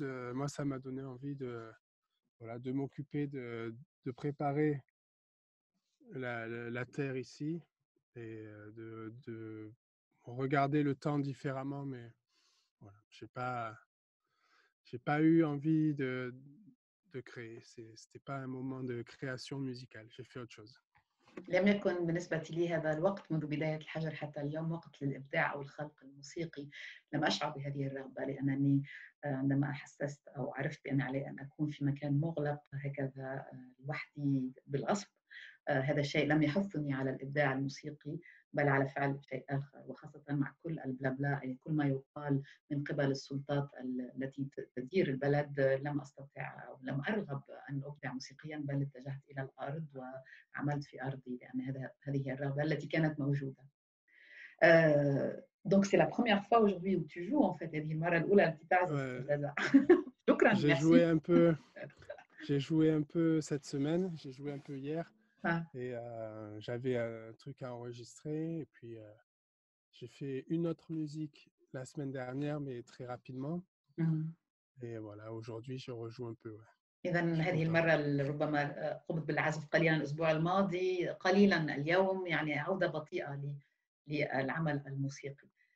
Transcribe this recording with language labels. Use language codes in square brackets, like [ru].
[fr] Moi, ça m'a donné envie de m'occuper de préparer la terre ici et de regarder le temps différemment. Mais voilà, j'ai pas eu envie de créer. C'était pas un moment de création musicale. J'ai fait autre chose. [ar] لم يكن بالنسبة لي هذا الوقت منذ بداية الحجر حتى اليوم وقت للإبداع أو الخلق الموسيقي. لم أشعر بهذه الرغبة لأنني عندما أحسست أو عرفت بأن علي أن أكون في مكان مغلق هكذا لوحدي بالغصب، هذا الشيء لم يحثني على الإبداع الموسيقي بل على فعل شيء آخر، وخاصة مع كل البلابلا، يعني كل ما يقال من قبل السلطات التي تدير البلد، لم أستطع أو لم أرغب أن أبدع موسيقياً، بل اتجهت إلى الأرض وعملت في أرضي، لأن هذه الرغبة التي كانت موجودة. [fr] Donc c'est la première fois aujourd'hui où tu joues en fait, [ar] هذه المرة الأولى التي تعزف. شكراً. [fr] J'ai joué un peu. J'ai joué un peu cette semaine. J'ai joué un peu hier. Et j'avais un truc à enregistrer et puis j'ai fait une autre musique la semaine dernière mais très rapidement. Et voilà, aujourd'hui je rejoue un peu. [ar] إذن هذه المرة ربما قمت بالعزف قليلا الأسبوع الماضي قليلا اليوم يعني عودة بطيئة للعمل الموسيقي.